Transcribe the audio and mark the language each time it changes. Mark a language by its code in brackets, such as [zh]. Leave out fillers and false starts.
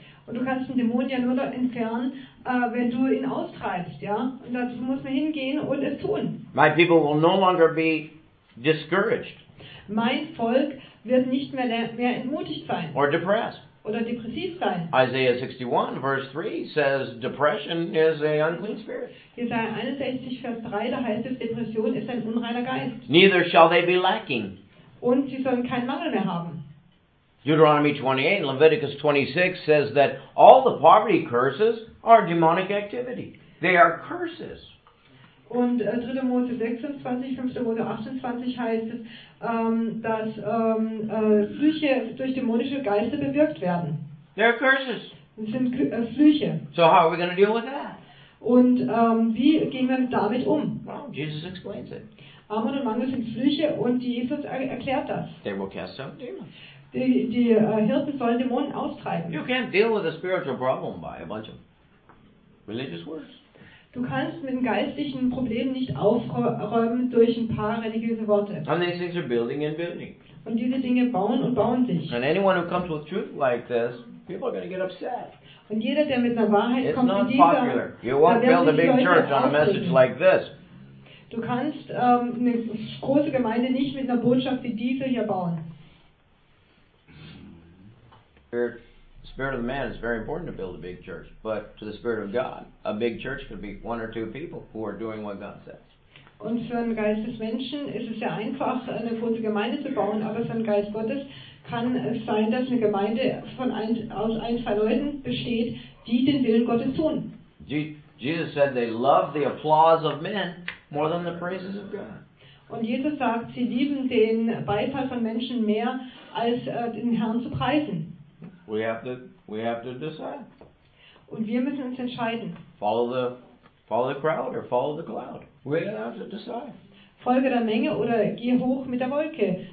[de] Und du kannst einen Dämon ja nur dort entfernen, wenn du ihn austreibst, ja? Und dazu muss man hingehen und es tun. [en] My people will no longer be discouraged. [de] Mein Volk wird nicht mehr entmutigt sein. [en] Or depressed. [de] Oder depressiv sein. [en] Isaiah 61, verse 3 says, depression is an unclean spirit. [de] Jesaja 61, Vers 3, da heißt es, Depression ist ein unreiner Geist. [en] Neither shall they be lacking. [de] Und sie sollen keinen Mangel mehr haben. [en] Deuteronomy 28 and Leviticus 26 says that all the poverty curses are demonic activity. They are curses. [de] Und 3. Mose 26, 5. Mose 28 heißt es, dass Flüche durch dämonische Geister bewirkt werden. [en] They're curses. [de] Das sind Flüche. [en] So how are we going to deal with that? [de] Und wie gehen wir damit um? [en] Well, Jesus explains it. [de] Armut und Mangel sind Flüche und Jesus erklärt das. [en] They will cast out demons. [de] Die Hirten sollen Dämonen austreiben. [en] You can't deal with a spiritual problem by a bunch of religious words. [de] Du kannst mit dem geistlichen Problem nicht aufräumen durch ein paar religiöse Worte. [en] And these things are building and building. [de] Und diese Dinge bauen und bauen sich. [en] And anyone who comes with truth like this, people are going to get upset. [de] Und jeder, der mit einer Wahrheit [en] it's [de] kommt, [en] not [de] mit [en] popular. [de] Dieser, [en] you won't build a big church on a message like this. [de] Du kannst eine große Gemeinde nicht mit einer Botschaft wie diese hier bauen. [en] Spirit of the man is very important to build a big church, but to the spirit of God, a big church could be one or two people who are doing what God says. [de] Und für einen Geist des Menschen ist es sehr einfach, eine große Gemeinde zu bauen, aber für einen Geist Gottes kann es sein, dass eine Gemeinde aus ein, zwei Leuten besteht, die den Willen Gottes tun. [en] Jesus said they love the applause of men more than the praises of God. [de] Und Jesus sagt, sie lieben den Beifall von Menschen mehr als den Herrn zu preisen. [en] We have to decide. [de] Und wir müssen uns entscheiden. [en] Follow the crowd or follow the cloud. We have to decide. [de] Folge der Menge oder geh hoch mit der Wolke.